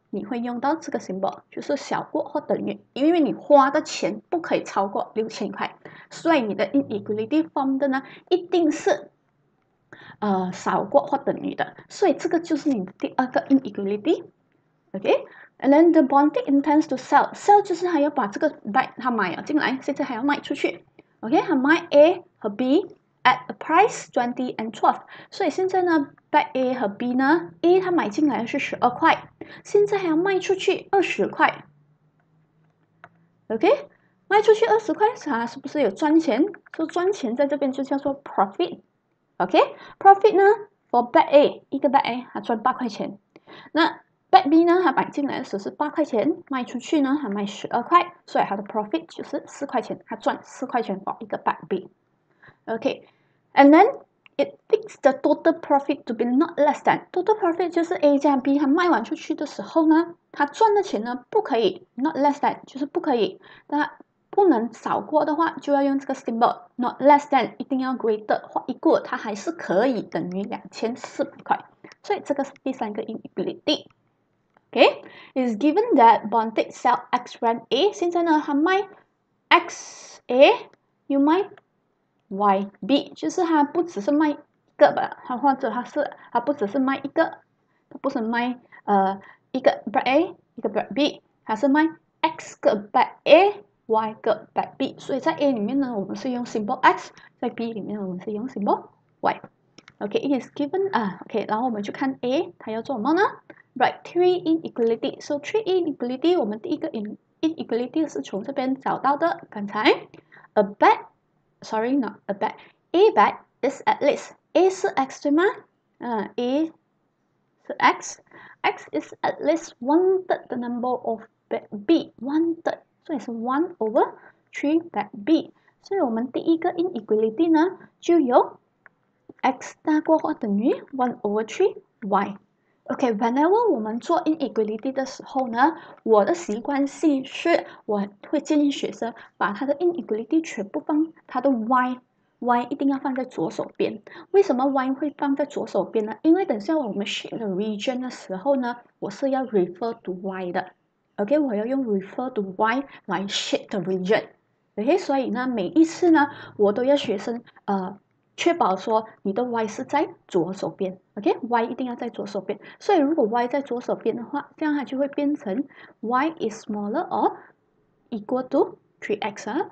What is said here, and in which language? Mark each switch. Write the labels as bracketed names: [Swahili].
[Chinese] 你会用到这个 symbol，就是小过或等于，因为你花的钱不可以超过6000块，所以你的 inequality formed 呢，一定是少过或等于的，所以这个就是你的第二个 inequality，OK？ [English] And then the bondee intends to sell [Chinese] 就是他要把这个 bag 他买了进来，现在还要卖出去，OK？他卖 A 和 B [English] at a price 20 and 12， [Chinese] 所以现在呢。在 A 和 B 呢？A 它买进来是12块，现在还要卖出去20块。 OK，卖出去20块，它是不是有赚钱？说赚钱在这边就叫做 profit。 OK，profit 呢？For bag A 一个 bag A 它赚8块钱，那 bag B 呢？它买进来的时候是8块钱，卖出去呢还卖12块，所以它的 profit 就是4块钱，它赚4块钱 for 一个 bag B。 OK，and then。 [English] It thinks the total profit [Chinese] to be not less than total profit 就是 A 加 B 它卖完出去的时候呢，它赚的钱呢不可以 not less than 就是不可以，那不能少过的话就要用这个 symbol not less than 一定要 greater 或 equal 它还是可以等于2400块，所以这个是第三个 inequality。 [English] OK，is given that bonded sell X brand A， [Chinese] 现在呢它卖 X A， [English] you 卖。 [Chinese] Y B 就是它不只是卖一个吧，它或者它不只是卖一个，它不是卖一个 brand A 一个 brand B，它是卖 X 个 brand A Y 个 brand B，所以在 A 里面呢，我们是用 symbol X，在 B 里面我们是用 symbol Y。 OK，it is given 然后我们去看 A 它要做什么呢？ [English] Write three inequality。 So three inequality， [Chinese] 我们第一个 inequality 是从这边找到的，刚才 a bad。 [English] Sorry, not a bag. A bag is at least. [Chinese] A 是 x 对吗？ A 是 x. [English] X is at least one third the number of bag B. One third， [Chinese] 所以是 [English] one over three bag B. [Chinese] 所以我们第一个 inequality 呢，就有 x 大过或等于 one over three y. OK, whenever 我们做 inequality 的时候呢，我的习惯性是，我会建议学生把他的 inequality 全部放他的 y 一定要放在左手边。为什么 y 会放在左手边呢？因为等下我们选的 region 的时候呢，我是要 refer to y 的。 OK, 我要用 refer to y 来 [English] shape the region。 [Chinese] OK, 所以呢，每一次呢，我都要学生确保说你的 y 是在左手边，OK，y 一定要在左手边。所以如果 y 在左手边的话，这样它就会变成 [English] y is smaller or equal to 3x [Chinese] 啊。